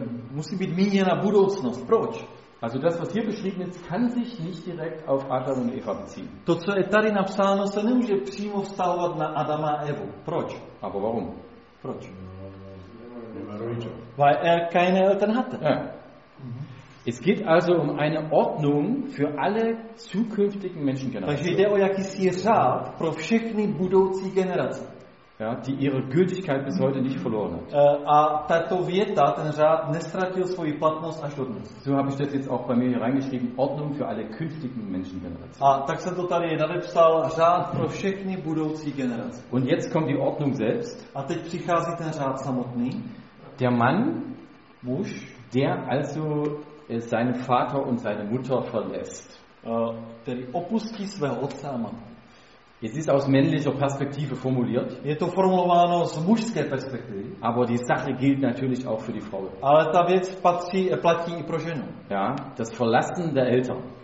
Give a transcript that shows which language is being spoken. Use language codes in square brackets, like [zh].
[cs] Musí být míněna budoucnost, proč? [de] Also das, was hier beschrieben ist, kann sich nicht direkt auf Adam und Eva beziehen. [cs] To, co je tady napsáno, se nemůže přímo vztahovat na Adama a Evu. Proč? [de] Aber warum? [cs] Proč? [de] Weil keine Eltern hatte. Ja. Es geht also eine Ordnung für alle zukünftigen Menschengenerationen. [cs] Takže jde o jakýsi řád pro všechny budoucí generace. [de] Ja, die ihre Gültigkeit bis heute nicht verloren hat. [cs] A tato věta, ten řád, nestratil svoji platnost až dodnes. [de] So habe ich das jetzt auch bei mir reingeschrieben, Ordnung für alle künftigen Menschengenerationen. [cs] A tak jsem to tady nadepsal, řád pro všechny budoucí generace. [de] Und jetzt kommt die Ordnung selbst. [cs] A teď přichází ten řád samotný. [de] Der Mann, [cs] muž, [de] der also seinen Vater und seine Mutter verlässt. [cs] Který opustí svého otce a matku. [de] Es ist aus männlicher Perspektive formuliert. [cs] Je to formulováno z mužské perspektivy. [de] Aber die Sache gilt natürlich auch für die Frau. [cs] Ale ta věc platí i pro ženu. [de] Ja, das Verlassen der Eltern.